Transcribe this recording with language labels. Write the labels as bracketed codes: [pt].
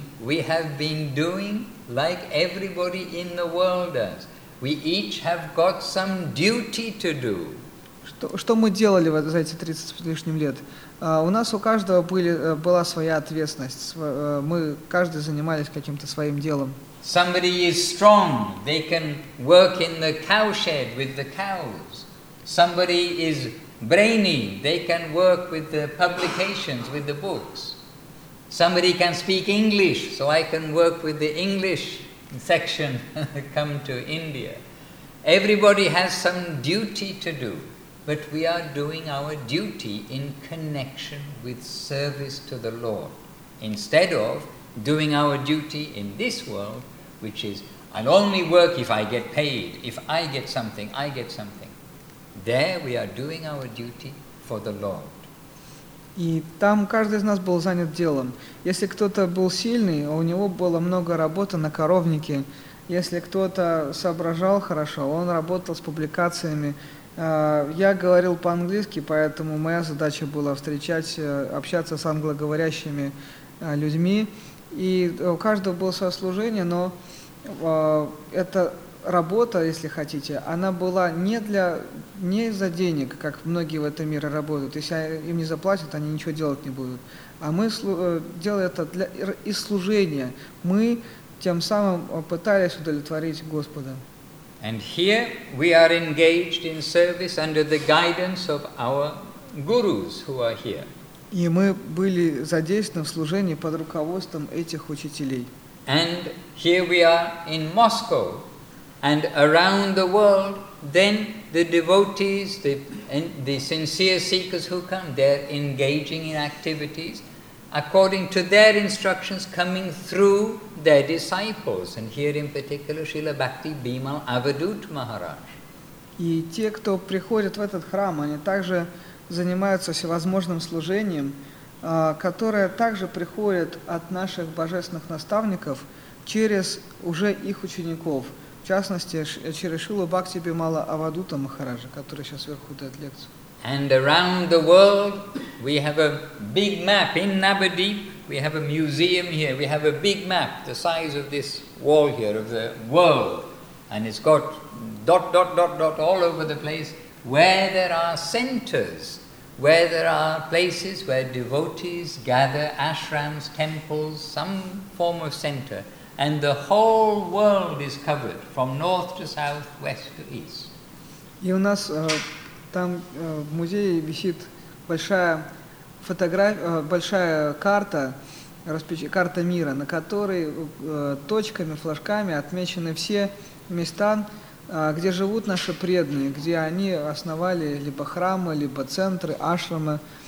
[en] We have been doing like everybody in the world does. We each have got some duty to do. [ru] Что мы делали за эти 30 с лишним лет? У нас у каждого была своя ответственность. Мы каждый занимались каким-то своим делом. [en] Somebody is strong, they can work in the cowshed with the cows. Somebody is brainy, they can work with the publications, with the books. Somebody can speak English, so I can work with the English section come to India. Everybody has some duty to do, but we are doing our duty in connection with service to the Lord, instead of doing our duty in this world, which is, I'll only work if I get paid, if I get something, I get something. There we are doing our duty for the Lord. [ru] И там каждый из нас был занят делом. Если кто-то был сильный, у него было много работы на коровнике. Если кто-то соображал хорошо, он работал с публикациями. Я говорил по-английски, поэтому моя задача была общаться с англоговорящими людьми. И у каждого было свое служение, но эта работа, если хотите, она была не из-за денег, как многие в этом мире работают. Если им не заплатят, они ничего делать не будут. А мы делали это из служения. Мы тем самым пытались удовлетворить Господа. [en] And here we are engaged in service under the guidance of our gurus who are here. [ru] И мы были задействованы в служении под руководством этих учителей. [en] And here we are in Moscow, and around the world, then the devotees, the sincere seekers who come, they're engaging in activities according to their instructions coming through their disciples. And here in particular, Srila Bhakti Bimal Avadhut Maharaj. [ru] И те, кто приходят в этот храм, они также занимаются всевозможным служением, которое также приходит от наших божественных наставников через уже их учеников, в частности, через Шилу Бхакти Бимала Авадута Махараджа, который сейчас вверху дает лекцию. [en] And around the world we have a big map. In Navadvip we have a museum here. We have a big map the size of this wall here of the world. And it's got dot all over the place. Where there are centers, where there are places where devotees gather, ashrams, temples, some form of center, and the whole world is covered from north to south, west to east. [ru] И у нас там в музее висит большая фотография, большая карта, карта мира, на которой точками, флажками отмечены все места, где живут наши преданные, где они основали либо храмы, либо центры, ашрамы.